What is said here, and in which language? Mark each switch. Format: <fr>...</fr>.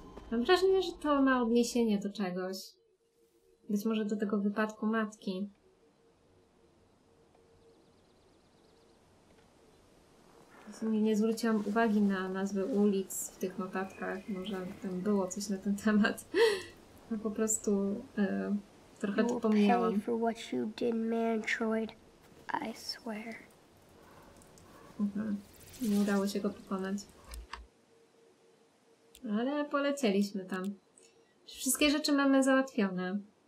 <pl>Mam wrażenie, że to ma odniesienie do czegoś. Być może do tego wypadku matki. W sumie nie zwróciłam uwagi na nazwy ulic w tych notatkach. Może tam było coś na ten temat. A po prostu trochę to pomijałam.</pl> <en>For what you did, Mantroid. I swear.</en> <pl>Nie udało się go pokonać. Ale polecieliśmy tam. Wszystkie rzeczy mamy załatwione.</pl>